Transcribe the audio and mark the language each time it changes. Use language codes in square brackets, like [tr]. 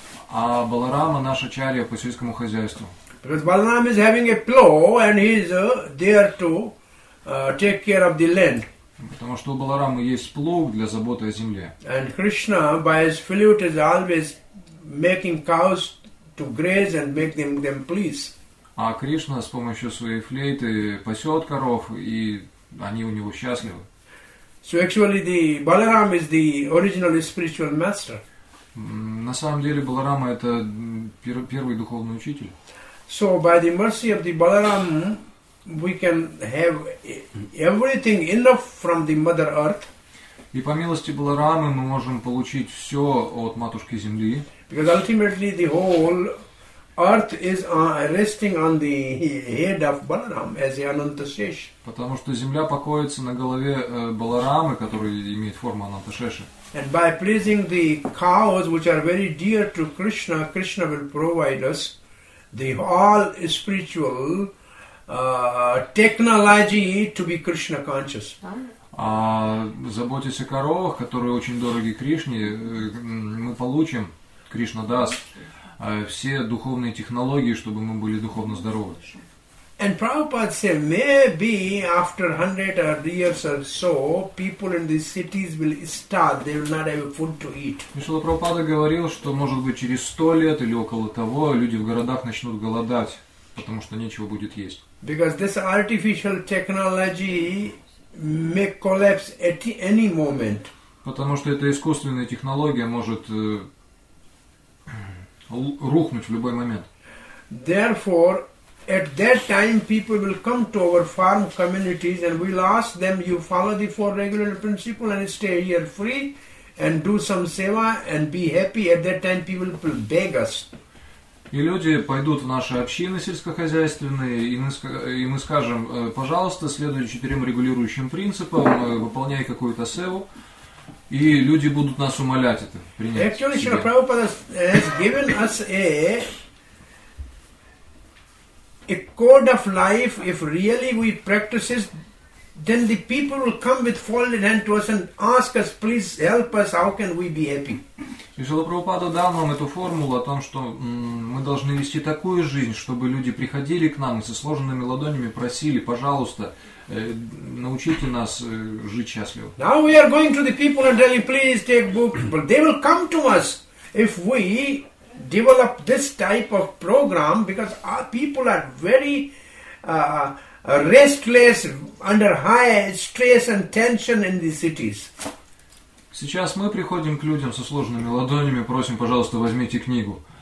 [ru] А Баларама наш ачарья по сельскому хозяйству. [en] Because Balaram is having a plow and he is there to take care of the land. [ru] Потому что у Баларамы есть плуг для заботы о земле. [en] And Krishna, by his flute, is always making cows to graze and making them please. [ru] А Кришна с помощью своей флейты пасет коров, и они у него счастливы. [en] So actually, the Balaram is the original spiritual master. [ru] На самом деле Баларама это первый духовный учитель. [en] So by the mercy of the Balaram, we can have everything enough from the Mother Earth. [ru] И по милости Баларамы мы можем получить все от Матушки Земли. [en] Because ultimately the whole Earth is resting on the head of Balaram as the Anantashesh. [ru] Потому что Земля покоится на голове Баларамы, который имеет форму Ананташеши. [en] And by pleasing the cows, which are very dear to Krishna, Krishna will provide us the all spiritual technology to be Krishna conscious. [ru] Заботясь о коровах, которые очень дороги Кришне, мы получим, Кришна даст, все духовные технологии, чтобы мы были духовно здоровы. [en] And Prabhupada said, maybe after 100 or years or so, people in these cities will starve, they will not have food to eat. [ru] Шрила Прабхупада говорил, что может быть через 100 лет или около того, люди в городах начнут голодать, потому что нечего будет есть. [en] Because this artificial technology may collapse at any moment. [ru] Потому что эта искусственная технология может рухнуть в любой момент. [en] Therefore, at that time, people will come to our farm communities, and we'll ask them: you follow the four regular principles and stay here free, and do some seva and be happy. At that time, people will beg us. [ru] И люди пойдут в наши общины сельскохозяйственные, и мы скажем: пожалуйста, следуй четырем регулирующим принципам, выполняй какую-то севу. И люди будут нас умолять это принять. [en] Actually, Srila Prabhupada has given us a code of life. If really we practice it, then the people will come with folded hands to us and ask us, please help us, how can we be happy? [ru] И Srila Prabhupada дал нам эту формулу о том, что мы должны вести такую жизнь, чтобы люди приходили к нам и со сложенными ладонями просили, пожалуйста, научите нас жить счастливо. [en] Now we are going to the people and telling, please take book. But they will come to us if we develop this type of program, because our people are very restless, under high stress and tension in the cities. [ru] Сейчас мы приходим к людям со сложенными ладонями, просим, пожалуйста, возьмите книгу.